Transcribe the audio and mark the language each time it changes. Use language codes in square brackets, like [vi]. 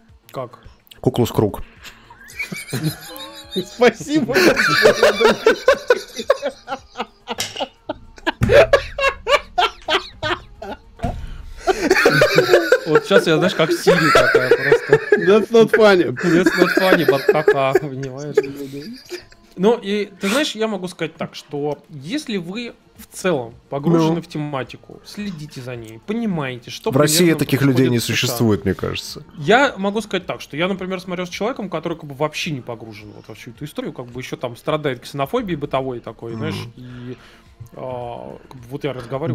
[ru] Как? Куклус Круг. Спасибо. Вот сейчас я, знаешь, как Сири такая просто. [en] That's not funny. That's not funny, but ха-ха, [ru] понимаешь? Ну, и ты знаешь, я могу сказать так, что если вы в целом погружены в тематику, следите за ней, понимаете, что... В России таких людей не существует, мне кажется. Я могу сказать так, что я, например, смотрел с человеком, который как бы вообще не погружен вот во всю эту историю, как бы еще там страдает ксенофобией бытовой такой, знаешь, и как бы, вот я разговариваю...